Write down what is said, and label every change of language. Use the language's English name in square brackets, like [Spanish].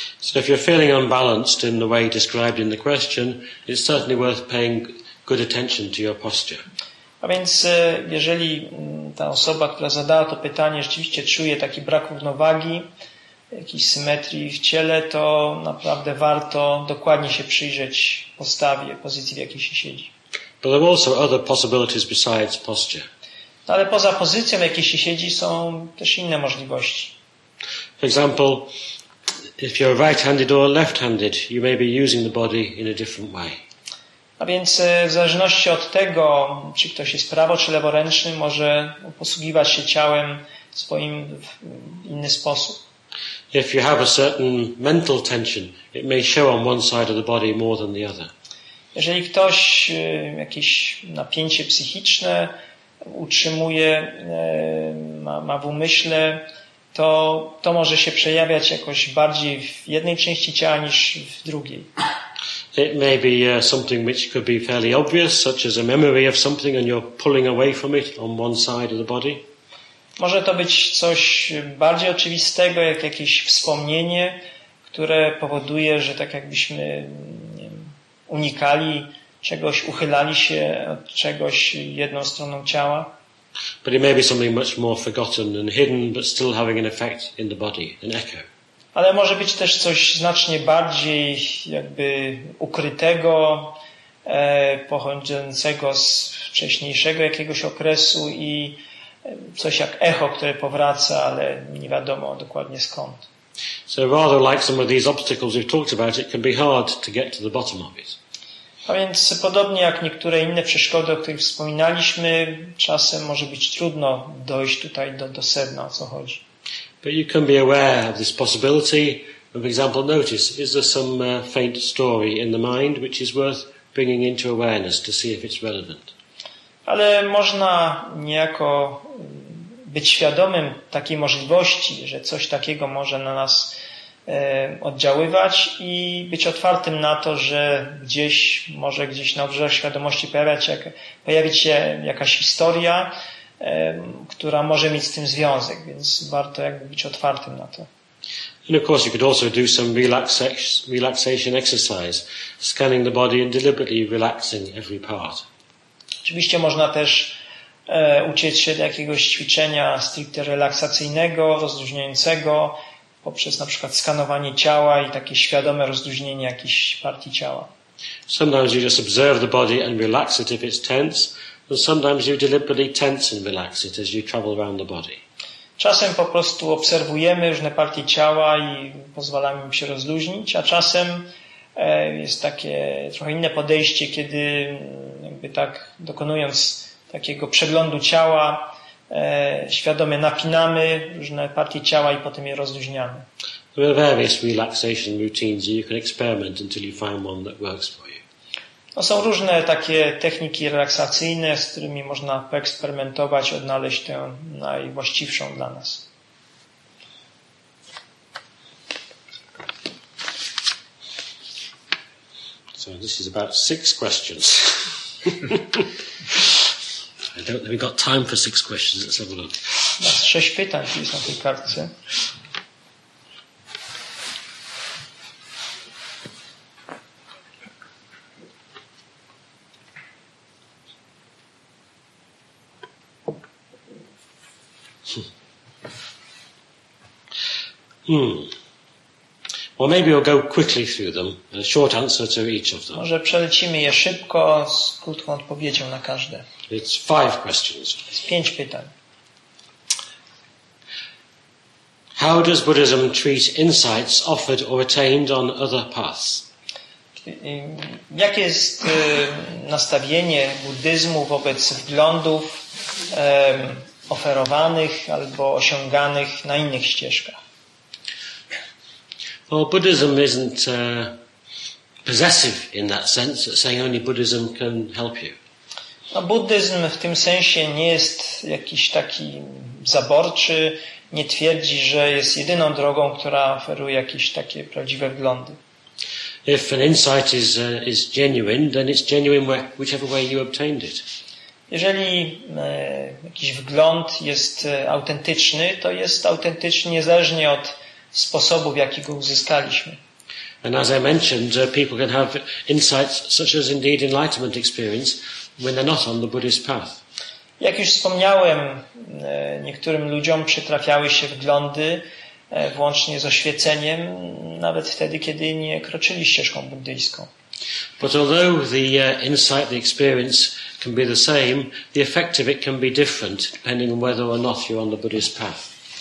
[English] So if you're feeling unbalanced in the way described in the question, it's certainly worth paying good attention to your posture. [Polish] A więc jeżeli ta osoba, która zadała to pytanie, rzeczywiście czuje taki brak równowagi, jakiejś symetrii w ciele, to naprawdę warto dokładnie się przyjrzeć postawie, pozycji, w jakiej się siedzi. [English] But there are also other possibilities besides posture. [Polish] Ale poza pozycją, w jakiej się siedzi, są też inne możliwości. [English] For example, if you're right-handed or left-handed, you may be using the body in a different way. [Polish] A więc w zależności od tego, czy ktoś jest prawo- czy leworęczny, może posługiwać się ciałem swoim w inny sposób. [English] If you have a certain mental tension, it may show on one side of the body more than the other. [Polish] Jeżeli ktoś jakieś napięcie psychiczne utrzymuje, ma w umyśle, to może się przejawiać jakoś bardziej w jednej części ciała niż w drugiej. [English] It may be something which could be fairly obvious, such as a memory of something and you're pulling away from it on one side of the body. [Polish] Może to być coś bardziej oczywistego, jak jakieś wspomnienie, które powoduje, że tak jakbyśmy unikali czegoś, uchylali się od czegoś jedną stroną ciała. [English] But it may be something much more forgotten and hidden, but still having an effect in the body, an echo. [Polish] Ale może być też coś znacznie bardziej jakby ukrytego, pochodzącego z wcześniejszego jakiegoś okresu i coś jak echo, które powraca, ale nie wiadomo dokładnie skąd. [English] So rather like some of these obstacles we've talked about, it can be hard to get to the bottom of it. [Polish] A więc podobnie jak niektóre inne przeszkody, o których wspominaliśmy, czasem może być trudno dojść tutaj do sedna, o co chodzi. [English] But you can be aware of this possibility. For example, notice, is there some faint story in the mind which is worth bringing into awareness to see if it's relevant? [Polish] Ale można niejako być świadomym takiej możliwości, że coś takiego może na nas oddziaływać i być otwartym na to, że gdzieś może gdzieś na obrzeżach świadomości pojawić się jakaś historia, która może mieć z tym związek, więc warto jakby być otwartym na to. [English] And of course you could also do some relaxation exercise, scanning the body and deliberately relaxing every part. [Polish] Oczywiście można też uciec się do jakiegoś ćwiczenia stricte relaksacyjnego, rozluźniającego, poprzez na przykład skanowanie ciała i takie świadome rozluźnienie jakiejś partii ciała. [English] Sometimes you just observe the body and relax it if it's tense, and sometimes you deliberately tense and relax it as you travel around the body. [Polish] Czasem po prostu obserwujemy różne partie ciała i pozwalamy im się rozluźnić, a czasem jest takie trochę inne podejście, kiedy jakby tak dokonując takiego przeglądu ciała, świadomie napinamy różne partie ciała i potem je rozluźniamy. [English] There are various relaxation routines and you can experiment until you find one that works for you. [Polish] No, są różne takie techniki relaksacyjne, z którymi można poeksperymentować, odnaleźć tę najwłaściwszą dla nas. [English] So this is about 6 questions. I don't think we've got time for 6 questions. Let's have a look. [Polish] Masz 6 pytań jest na tej kartce. [English] Well, maybe we'll go quickly through them. A short answer to each of them. [Polish] Może przelecimy je szybko z krótką odpowiedzią na każde. [English] It's 5 questions. It's [Polish] 5 pytań. [English] How does Buddhism treat insights offered or attained on other paths? [Polish] Jakie jest nastawienie buddyzmu wobec wglądów oferowanych albo osiąganych na innych ścieżkach? [English] Well, Buddhism isn't possessive in that sense, that saying only Buddhism can help you. [Polish] No, buddyzm w tym sensie nie jest jakiś taki zaborczy, nie twierdzi, że jest jedyną drogą, która oferuje jakieś takie prawdziwe wglądy. [English] If an insight is genuine, then it's genuine whichever way you obtained it. [Polish] Jeżeli jakiś wgląd jest autentyczny, to jest autentyczny niezależnie od sposobu, w jaki go uzyskaliśmy. [English] And as I mentioned, people can have insights such as indeed enlightenment experience when they're not on the Buddhist path. [Polish] Jak już wspomniałem, niektórym ludziom przytrafiały się wglądy włącznie z oświeceniem, nawet wtedy, kiedy nie kroczyli ścieżką buddyjską. [English] But although the insight, the experience can be the same, the effect of it can be different depending on whether or not you're on the Buddhist path.